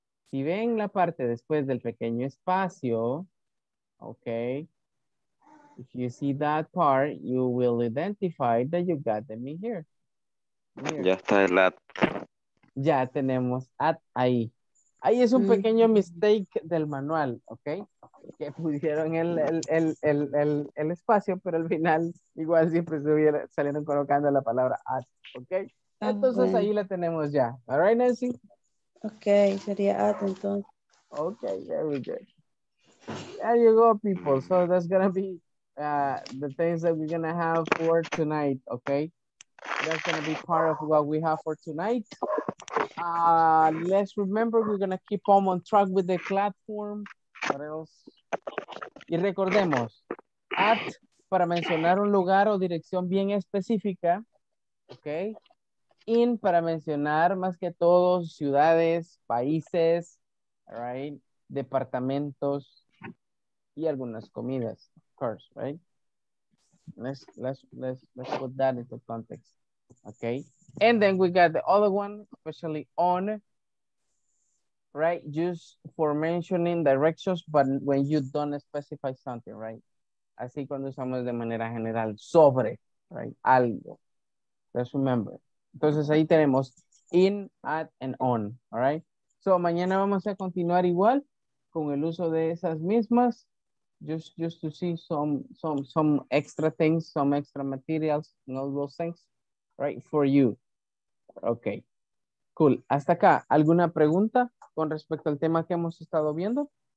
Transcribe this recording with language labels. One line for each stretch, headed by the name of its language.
Spanish: Si ven la parte después del pequeño espacio, ok.
English: If you see that part, you will identify that you got them in here.
Spanish: Ya está el at. Ya tenemos at ahí. Ahí es un pequeño mistake del manual, ¿ok? Que pusieron el espacio, pero al final igual siempre se hubiera salieron colocando la palabra at, ¿ok? Entonces ahí la tenemos ya. All right, Nancy? Ok, sería at entonces.
English: Ok, very good. There you go, people. So that's gonna be the things that we're gonna have for tonight, okay? That's gonna be part of what we have for tonight. Let's remember, we're gonna keep on track with the platform. What else?
Spanish: Y recordemos, at, para mencionar un lugar o dirección bien específica, okay? In, para mencionar más que todo ciudades, países, all right? Departamentos y algunas comidas. Course, right?
English: Let's put that into context. Okay. And then we got the other one, especially on, right? Just for mentioning directions, but when you don't specify something, right?
Spanish: Así cuando usamos de manera general sobre, right? Algo.
English: Let's remember.
Spanish: Entonces ahí tenemos in, at, and on. All right.
English: So
Spanish: mañana vamos a continuar igual con el uso de esas mismas.
English: Just to see some extra things, some extra materials, and all those things, right, for you. Okay, cool.
Spanish: Hasta acá, ¿alguna pregunta con respecto al tema que hemos estado viendo?